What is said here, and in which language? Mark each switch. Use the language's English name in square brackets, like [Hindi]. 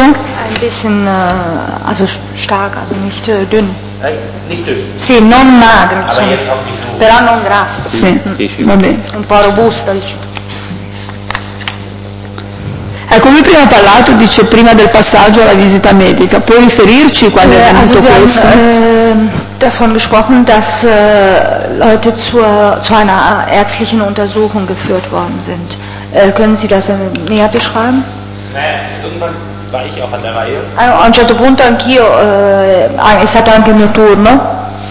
[German] Un bisschen, also stark, also nicht dünn. Nicht dünn. [Italian] Sì, non magra, insomma. Però non grassa. Sì, va bene. Un po' robusta, diciamo. Ecco, lui prima ha parlato, dice, prima del passaggio alla visita medica. Può riferirci quando è venuto [German] also, [Italian] questo? [German] Sie haben davon gesprochen, dass Leute zu einer ärztlichen Untersuchung geführt worden sind. Können Sie das näher beschreiben? Naja, irgendwann war ich auch an der Reihe. [Italian] A un certo punto anch'io, è stato anche il mio turno.